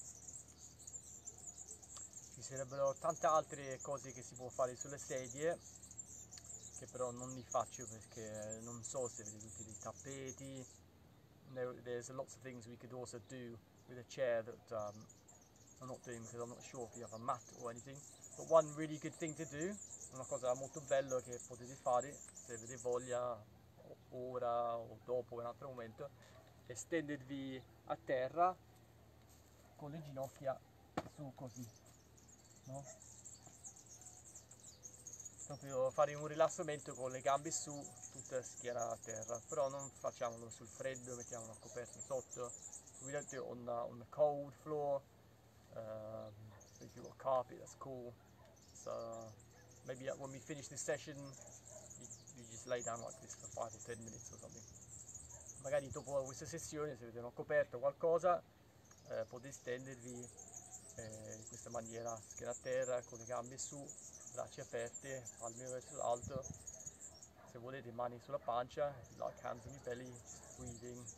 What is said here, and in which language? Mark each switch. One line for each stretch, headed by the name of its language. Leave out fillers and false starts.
Italian: Ci sarebbero tante altre cose che si può fare sulle sedie, che però non li faccio perché non so se avete tutti i tappeti.
English: There's lots of things we could also do with a chair that I'm not doing because I'm not sure if you have a mat or anything. But one really good thing to do,
Italian: una cosa molto bella che potete fare se avete voglia, ora o dopo in un altro momento, è stendervi a terra con le ginocchia su così. Proprio fare un rilassamento con le gambe su, tutta schiena a terra, però non facciamolo sul freddo, mettiamo una coperta sotto.
English: We don't do it on the cold floor. If you've got a carpet, that's cool. So maybe when we finish this session you just lay down like this for 5 or 10 minutes or something.
Italian: Magari dopo questa sessione, se avete una coperta o qualcosa, potete stendervi in questa maniera, schiena a terra, con le gambe su, braccia aperte, palme verso l'alto, se volete mani sulla pancia,
English: like hands on your belly, just breathing.